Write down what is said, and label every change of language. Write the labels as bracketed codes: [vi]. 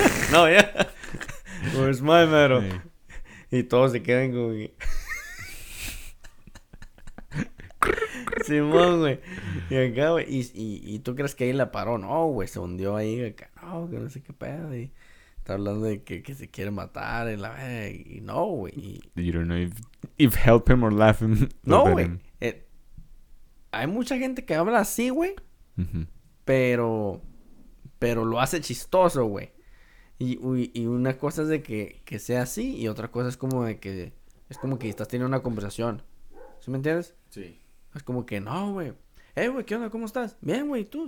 [es] No, ya. [en] Yeah. Where's my medal? Hey. [es] Y todos se quedan como que... Simón, güey. Y acá, güey. Y tú crees que ahí la paró. No, güey. Se hundió ahí. Acá. No, que no sé qué pedo. Y... Está hablando de que se quiere matar en la y no, güey. [en] You don't know if help him or laugh him. [es] No, güey. Hay mucha gente que habla así, güey. Mm-hmm. Pero lo hace chistoso, güey. Y una cosa es de que sea así y otra cosa es como de que Es como que estás teniendo una conversación. ¿Sí me entiendes? Sí. Es como que, no, güey. Hey, güey, ¿qué onda? ¿Cómo estás? Bien, güey, ¿tú?